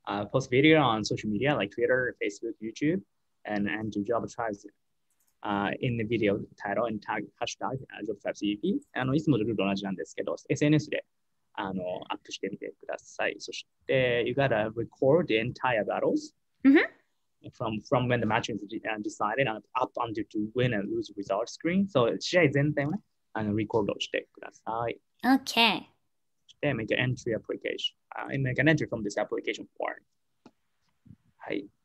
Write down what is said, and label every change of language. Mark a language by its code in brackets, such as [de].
[en] Post video on social media like Twitter, Facebook, YouTube, and do job tribes in the video title and tag hashtag job tribes EP. [ja] いつもルール同じなんですけど、SNS でアップしてみてください。そして、 [en] you gotta record the entire battles. From when the match is decided up until to win and lose result screen. [ja] So, 試合全体はね、record をしてください。 [en] Okay. で、make an entry application. Make an entry from this application form. はい。